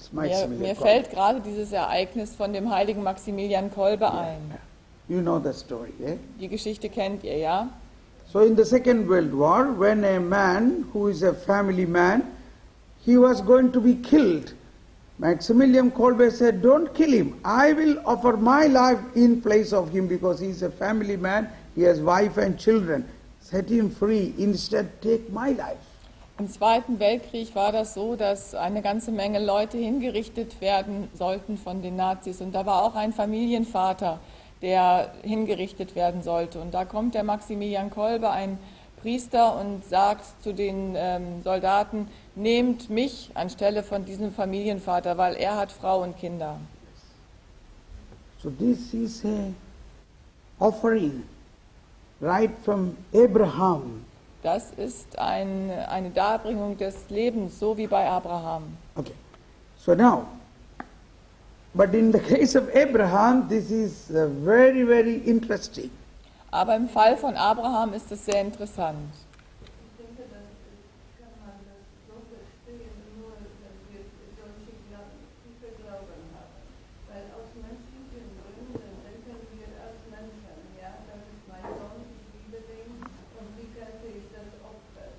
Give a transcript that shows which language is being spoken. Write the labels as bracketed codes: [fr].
[de] Mir fällt gerade dieses Ereignis von dem heiligen Maximilian Kolbe ein. [en] Yeah. You know the story, eh? [de] Die Geschichte kennt ihr, ja? [en] So in the Second World War, when a man who is a family man, he was going to be killed, Maximilian Kolbe said, don't kill him. I will offer my life in place of him because he is a family man, he has wife and children. Set him free, instead take my life. [de] Im Zweiten Weltkrieg war das so, dass eine ganze Menge Leute hingerichtet werden sollten von den Nazis. Und da war auch ein Familienvater, der hingerichtet werden sollte. Und da kommt der Maximilian Kolbe, ein Priester, und sagt zu den Soldaten, nehmt mich anstelle von diesem Familienvater, weil er hat Frau und Kinder. [en] So this is a offering right from Abraham. [de] Das ist eine Darbringung des Lebens, so wie bei Abraham. [en] Okay, so now, but in the case of Abraham, this is very, very interesting. [de] Aber im Fall von Abraham ist es sehr interessant. Ich denke, das kann man das so verstehen, nur wenn wir solche tiefe Glauben haben. Weil aus menschlichen Gründen denken wir als Menschen, ja, das ist mein Sohn, ich liebe den, und wie könnte ich das opfern?